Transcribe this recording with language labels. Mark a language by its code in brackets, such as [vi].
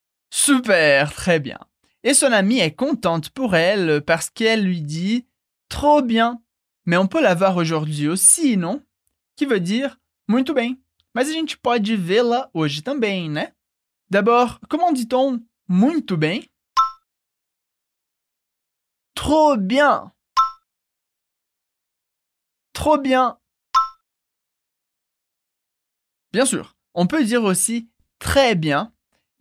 [fr] Super, très bien. Et son amie est contente pour elle parce qu'elle lui dit « Trop bien !» Mais on peut la voir aujourd'hui aussi, non? Qui veut dire « [pt] Muito bem !» Mas a gente pode vê-la hoje também, né? [fr] D'abord, comment dit-on « [pt] Muito bem [fr] » ?« Trop bien !»« Trop bien !» Bien sûr, on peut dire aussi « Très bien !»